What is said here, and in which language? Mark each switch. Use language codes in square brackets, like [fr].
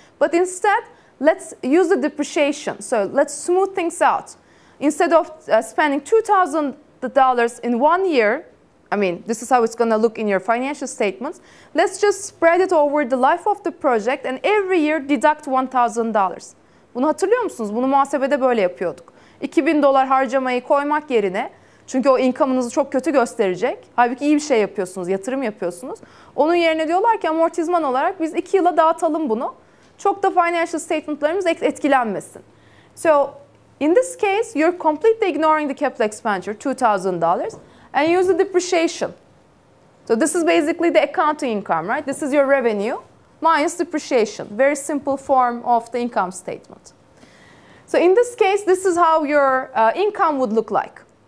[en] But instead, let's use the depreciation. So let's smooth things out. Instead of spending $2,000 in 1 year, I mean, this is how it's going to look in your financial statements, let's just spread it over the life of the project and every year deduct $1,000. [tr] Bunu hatırlıyor musunuz? Bunu muhasebede böyle yapıyorduk. $2,000 harcamayı koymak yerine, çünkü o income'ınızı çok kötü gösterecek. Halbuki iyi bir şey yapıyorsunuz, yatırım yapıyorsunuz. Onun yerine diyorlar ki amortizman olarak biz 2 yıla dağıtalım bunu. Çok da financial statementlarımız etkilenmesin. [en] So, in this case, you're completely ignoring the capital expenditure, $2,000, and use the depreciation. So this is basically the accounting income, right? This is your revenue minus depreciation. Very simple form of the income statement. So in this case, this is how your income would look like.